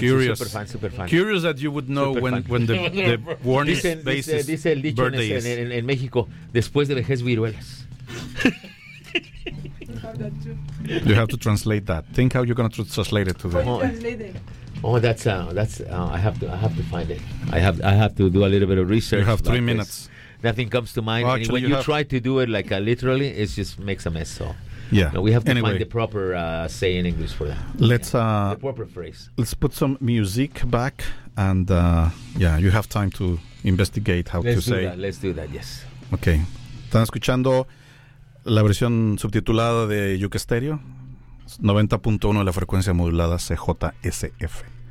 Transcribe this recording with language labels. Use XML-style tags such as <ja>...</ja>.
<en>Curious that you would know when the Warning bass is.</en> <es>Dice el dicho en México, después de vejez viruelas.</es> <en>You have to translate that. Think how you're going to translate it to them. Oh, I have to find it. I have to do a little bit of research. You have 3 minutes. Nothing comes to mind. Well, actually, when you try to do it like literally, it just makes a mess. So Yeah. No, we have to find the proper say in English for that. Let's the proper phrase. Let's put some music back, and you have time to investigate how let's to say. Let's do that. Yes. Okay.</en> <es>Están escuchando la versión subtitulada de Yuke Stereo, 90.1 de la frecuencia modulada CJSF.</es>